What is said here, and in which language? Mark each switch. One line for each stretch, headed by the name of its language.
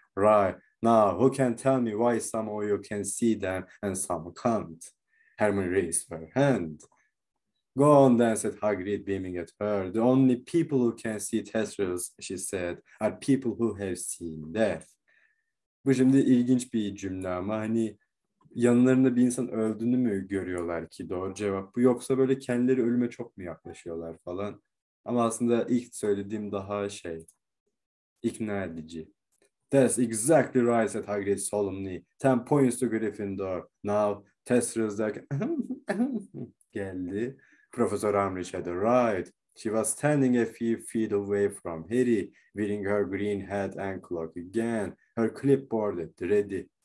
English: "Right, now who can tell me why some of you can see them and some can't?" Hermione raised her hand. "Go on then," said Hagrid, beaming at her. "The only people who can see Testrals," she said, "are people who have seen death."
Turkish: Bu şimdi ilginç bir cümle ama hani yanlarında bir insan öldüğünü mü görüyorlar ki doğru cevap bu? Yoksa böyle kendileri ölüme çok mu yaklaşıyorlar falan? Ama aslında ilk söylediğim daha şey, ikna edici.
English: "That's exactly right," said Hagrid solemnly. 10 points to Gryffindor.
Turkish: Now Testrals geldi.
English: Professor Umbridge had arrived. She was standing a few feet away from Harry, wearing her green hat and cloak again, her clipboard at the ready.